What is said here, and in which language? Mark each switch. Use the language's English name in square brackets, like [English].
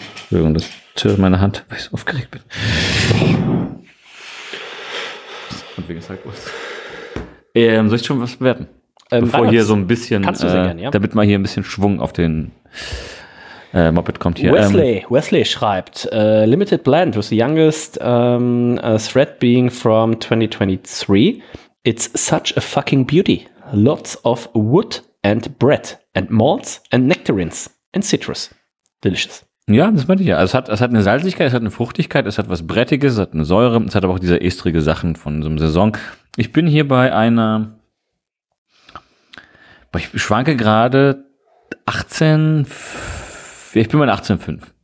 [German] Entschuldigung, das tür in meiner Hand, weil ich so aufgeregt bin. Und wie gesagt, was? Soll ich schon was bewerten? Bevor hier so ein bisschen, kannst du sehr gerne, ja. Damit mal hier ein bisschen Schwung auf den Moped kommt hier. [English] Wesley [German] schreibt, [English] Limited Blend was the youngest thread being from 2023. It's such a fucking beauty. Lots of wood and bread and malts and nectarines and citrus. Delicious. [German] Ja, das meinte ich ja. Also es hat eine Salzigkeit, es hat eine Fruchtigkeit, es hat was Brettiges, es hat eine Säure, es hat aber auch diese estrige Sachen von so einem Saison. Ich bin hier bei einer, ich schwanke gerade, 18, ich bin bei einer 18,5.